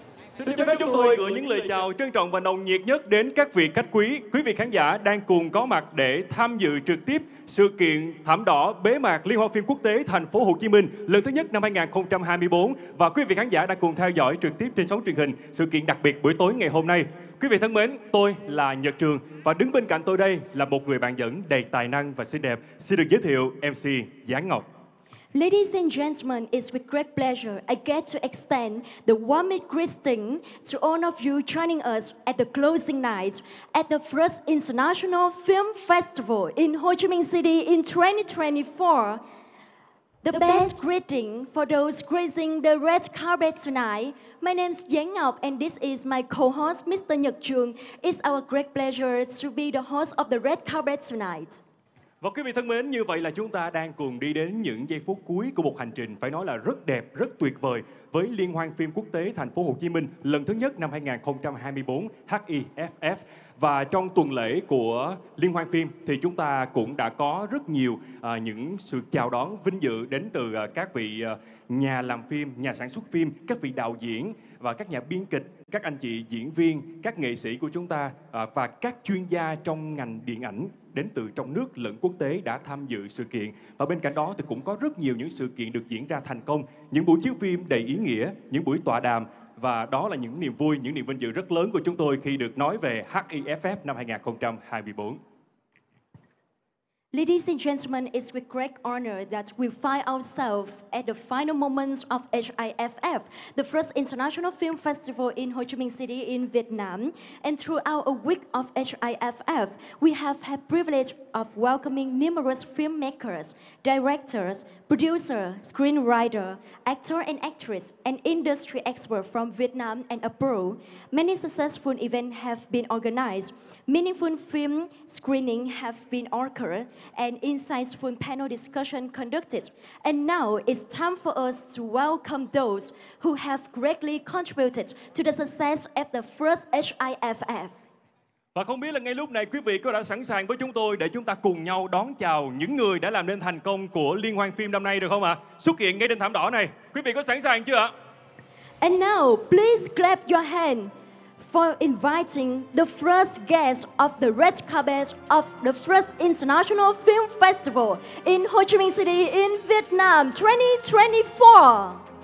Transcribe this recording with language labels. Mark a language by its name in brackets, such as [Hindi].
[Vietnamese] Xin cho phép chúng tôi gửi những lời chào trân trọng và nồng nhiệt nhất đến các vị khách quý, quý vị khán giả đang cùng có mặt để tham dự trực tiếp sự kiện thảm đỏ bế mạc Liên hoan phim quốc tế Thành phố Hồ Chí Minh lần thứ nhất năm 2024 và quý vị khán giả đang cùng theo dõi trực tiếp trên sóng truyền hình sự kiện đặc biệt buổi tối ngày hôm nay. Quý vị thân mến, tôi là Nhật Trường và đứng bên cạnh tôi đây là một người bạn dẫn đầy tài năng và xinh đẹp. Xin được giới thiệu MC Giáng Ngọc. [English] Ladies and gentlemen, it's with great pleasure I get to extend the warmest greeting to all of you joining us at the closing night at the first International Film Festival in Ho Chi Minh City in 2024. The best greeting for those gracing the red carpet tonight. My name is Giáng Ngọc and this is my co-host, Mr. Nhật Trường. It's our great pleasure to be the host of the red carpet tonight. [Vietnamese] Và quý vị thân mến, như vậy là chúng ta đang cùng đi đến những giây phút cuối của một hành trình phải nói là rất đẹp, rất tuyệt vời với Liên hoan phim quốc tế Thành phố Hồ Chí Minh lần thứ nhất năm 2024 HIFF. Và trong tuần lễ của Liên hoan phim thì chúng ta cũng đã có rất nhiều những sự chào đón vinh dự đến từ các vị nhà làm phim, nhà sản xuất phim, các vị đạo diễn và các nhà biên kịch, các anh chị diễn viên, các nghệ sĩ của chúng ta và các chuyên gia trong ngành điện ảnh đến từ trong nước lẫn quốc tế đã tham dự sự kiện. Và bên cạnh đó thì cũng có rất nhiều những sự kiện được diễn ra thành công, những buổi chiếu phim đầy ý nghĩa, những buổi tọa đàm. Và đó là những niềm vui, những niềm vinh dự rất lớn của chúng tôi khi được nói về HIFF năm 2024. [English] Ladies and gentlemen, it's with great honor that we find ourselves at the final moments of HIFF, the first international film festival in Ho Chi Minh City in Vietnam. And throughout a week of HIFF, we have had privilege of welcoming numerous filmmakers, directors, producers, screenwriters, actors and actresses, and industry experts from Vietnam and abroad. Many successful events have been organized. Meaningful film screening have been occurred and insightful panel discussion conducted. And now it's time for us to welcome those who have greatly contributed to the success of the first HIFF. [Vietnamese] Và không biết là ngay lúc này quý vị có đã sẵn sàng với chúng tôi để chúng ta cùng nhau đón chào những người đã làm nên thành công của Liên hoan phim năm nay được không ạ? Xuất hiện ngay trên thảm đỏ này. Quý vị có sẵn sàng chưa ạ? [English] And now, please clap your hand for inviting the first guest of the red carpet of the first International Film Festival in Ho Chi Minh City in Vietnam 2024.